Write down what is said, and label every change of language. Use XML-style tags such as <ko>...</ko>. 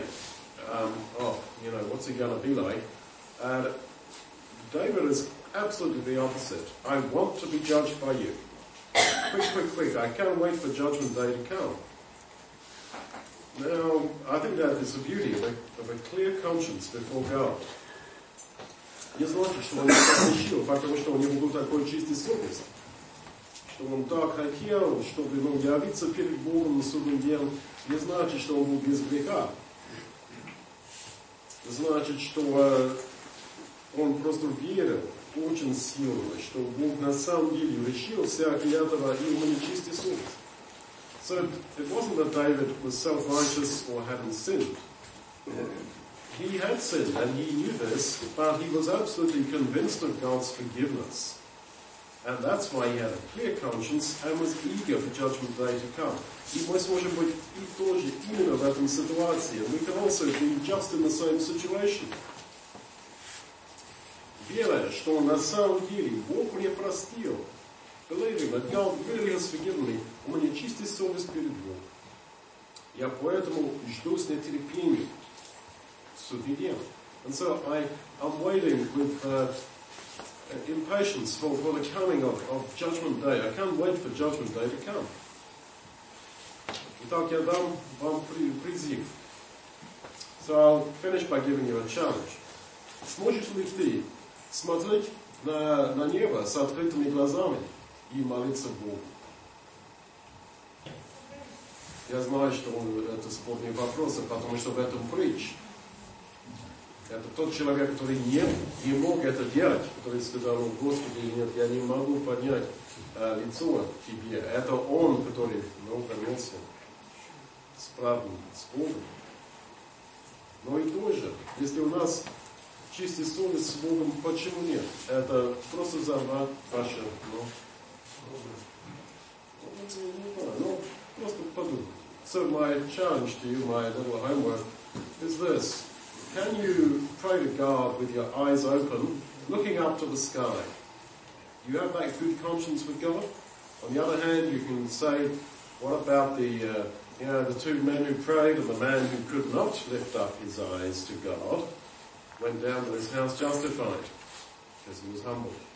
<en>What's it going to be like? David is absolutely the opposite. I want to be judged by you. Quick. I can't wait for Judgment Day to come. Now, I think that is the beauty of a clear conscience before God.</en> <ru>Я знаю, что он так решил, потому что у него был такой чистый совесть, что он так хотел, чтобы он явиться перед Богом на судный день, не значит, что он был без греха. Значит, что он просто верил очень сильно, что Бог на самом деле решился от этого, и у него чистый совесть.</ru> <en>So it wasn't that David was self-righteous or hadn't sinned. He had sinned, and he knew this, but he was absolutely convinced of God's forgiveness. And that's why he had a clear conscience and was eager for Judgment Day to come.</en> <ru>И мы сможем быть тоже именно в этом ситуации.</ru> <en>We can also be just in the same situation.</en> <ru>Вера, что на самом деле Бог мне простил.</ru> <en>Believing that God really has forgiven me.</en> <ru>У меня чистая совесть перед Богом. Я поэтому жду с нетерпением.</ru> <en>And so I'm waiting with impatience for the coming of Judgment Day. I can't wait for Judgment Day to come.</en> <ru>Итак, я дам вам призыв.</ru> <en>So I'll finish by giving you a challenge.</en> <ru>Сможешь ли ты смотреть на небо с открытыми глазами и молиться Богу? Я знаю, что это спорный вопрос, потому что в этом притч. Это тот человек, который не мог это делать, который сказал, Господи, нет, я не могу поднять лицо тебе. Это он, который вернулся с правдой, с Богом. Но и тоже, если у нас чистый совесть с Богом, почему нет? Это просто забрать ваше, просто подумать.</ru> <en>So my challenge to you, my little homework, is this. Can you pray to God with your eyes open, looking up to the sky? Do you have that good conscience with God? On the other hand, you can say, what about the two men who prayed and the man who could not lift up his eyes to God went down to his house justified because he was humble.</en>